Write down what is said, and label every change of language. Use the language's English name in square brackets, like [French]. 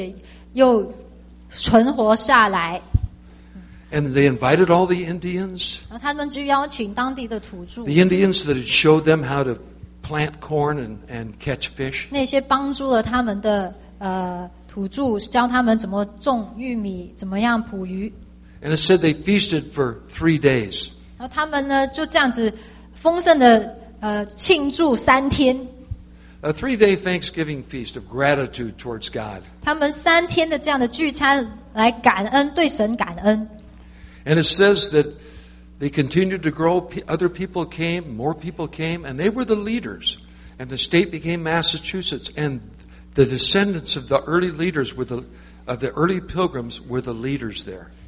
[Chinese] 他们非常的感恩，因为他们来到这个新的土地，可以有自由，宗教的自由，可以敬拜神，而且又存活下来。 [English] And they invited all the Indians. [Chinese] 他们就邀请当地的土著。 [English] The Indians that had showed them how to plant corn and catch fish. [Chinese] 那些帮助了他们的土著，教他们怎么种玉米，怎么样捕鱼。 [English] And it said they feasted for 3 days. [Chinese] 然后他们呢就这样子丰盛的庆祝三天。 [English] A 3-day Thanksgiving feast of gratitude towards God. [Chinese] 他们三天的这样的聚餐来感恩，对神感恩。 [English] And it says that they continued to grow, other people came, more people came, and they were the leaders. And the state became Massachusetts, and the descendants of the early leaders of the early pilgrims were the leaders there.